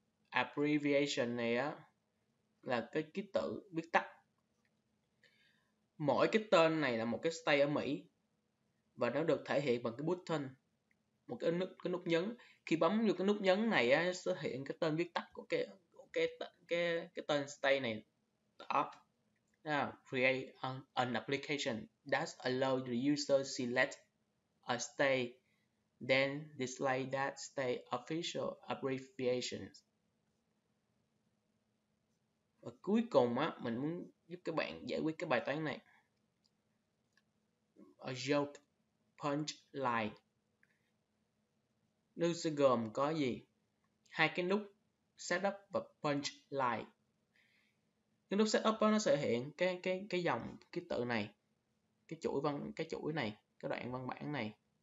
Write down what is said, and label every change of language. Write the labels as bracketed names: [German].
[Vietnamese] Abbreviation này á là cái ký tự viết tắt. Mỗi cái tên này là một cái stay ở Mỹ, và nó được thể hiện bằng cái button, một cái nút nhấn. Khi bấm vô cái nút nhấn này á, xuất hiện cái tên viết tắt của cái tên stay này đó. [English] Now, create an application that allows the user select a state, then display that state official abbreviations. [Vietnamese] Và cuối cùng á, mình muốn giúp các bạn giải quyết cái bài toán này. A joke punchline. Nó sẽ gồm có gì? Hai cái nút setup và punchline. Cái nút setup đó, nó sẽ hiện cái dòng ký tự này, cái chuỗi này, cái đoạn văn bản này.